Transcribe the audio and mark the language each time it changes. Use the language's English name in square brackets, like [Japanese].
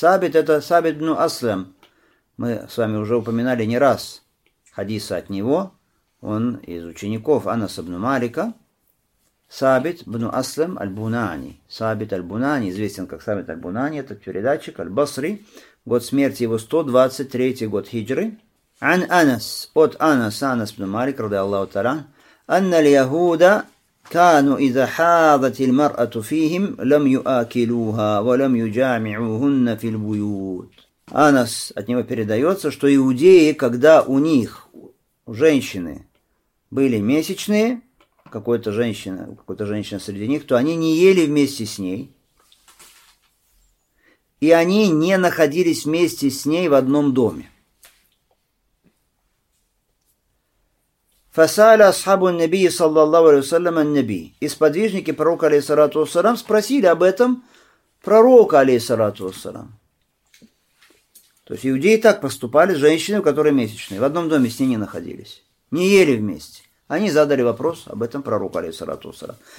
[Russian] Сабит это Сабит бну Аслам. Мы с вами уже упоминали не раз хадиса от него. Он из учеников Анаса бну Малика. Сабит бну Аслам Аль-Бунани. Сабит Аль-Бунани, известен как Сабит Аль-Бунани, это передатчик Аль-Басри, год смерти его 123 год хиджры. [Arabic] عن أنس قد أنس أنس بن مالك رضي الله تعالى أن اليهود كانوا إذا حاضت المرأة فيهم لم يأكلوها ولم يجامعوهن في البيوت. [Russian] أنس от него передается, что иудеи, когда у них женщины были месячные, какой-то женщина среди них, то они не ели вместе с ней, и они не находились вместе с ней в одном доме. [Arabic] فسأل أصحاب النبي صلى الله عليه وسلم النبي. [Russian] Исподвижники пророка алейхиссалату вассалям спросили об этом пророка алейхиссалату вассалям. То есть иудеи так поступали с женщиной, у которой месячные. В одном доме с ней не находились. Не ели вместе. Они задали вопрос об этом пророку алейхиссалату вассалям.